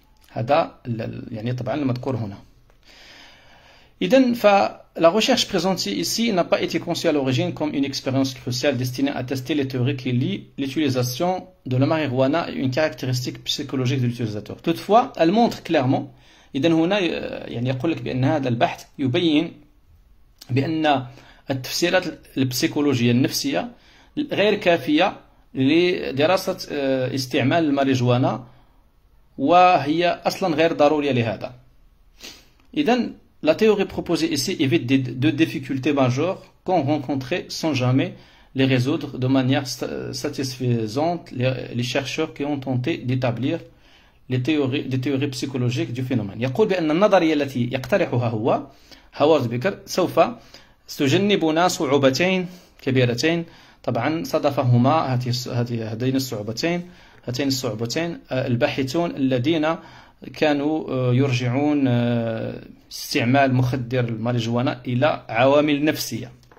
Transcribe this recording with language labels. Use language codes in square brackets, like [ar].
[ar] هذا يعني طبعا المذكور هنا. إذن فلا ريشيرش بريزونتي [fr] ici n'a pas été conçue à l'origine comme une expérience cruciale destinée à tester les théories qui lient l'utilisation de la marijuana et une caractéristique psychologique de l'utilisateur. Toutefois, elle montre clairement, [ar] إذن هنا يعني يقول لك بأن هذا البحث يبين بأن التفسيرات البسيكولوجية النفسية غير كافية لدراسة استعمال الماريجوانا وهي أصلا غير ضرورية لهذا. إذن [fr] la théorie proposée ici évite deux difficultés majeures qu'on rencontrait sans jamais les résoudre de manière satisfaisante les chercheurs qui ont tenté d'établir des théories psychologiques du phénomène. [ar] يقول بأن النظرية التي يقترحها هو هاورد بيكر سوف تجنبنا صعوبتين كبيرتين. طبعا صادفهما هاتين الصعوبتين الباحثون الذين كانوا يرجعون استعمال مخدر الماريجوانا إلى عوامل نفسية.